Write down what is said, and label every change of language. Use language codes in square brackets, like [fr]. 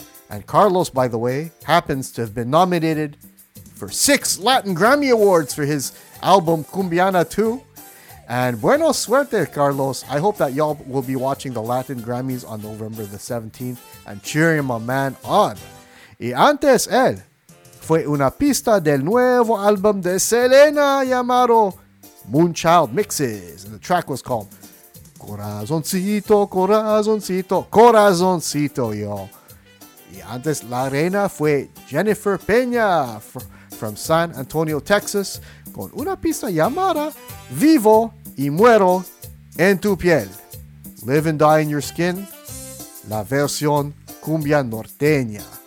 [en] And Carlos, by the way, happens to have been nominated for 6 Latin Grammy Awards for his album Cumbiana 2. And [es] buena suerte, [en] Carlos. I hope that y'all will be watching the Latin Grammys on November the 17th and cheering my man on. [es] Y antes él, fue una pista del nuevo álbum de Selena llamado Moonchild Mixes. [en] And the track was called Corazoncito, Corazoncito, Corazoncito, y'all. [es] Y antes la reina fue Jennifer Peña [en] from San Antonio, Texas, [es] con una pista llamada Vivo y Muero en Tu Piel. Live and Die in Your Skin, la versión cumbia norteña.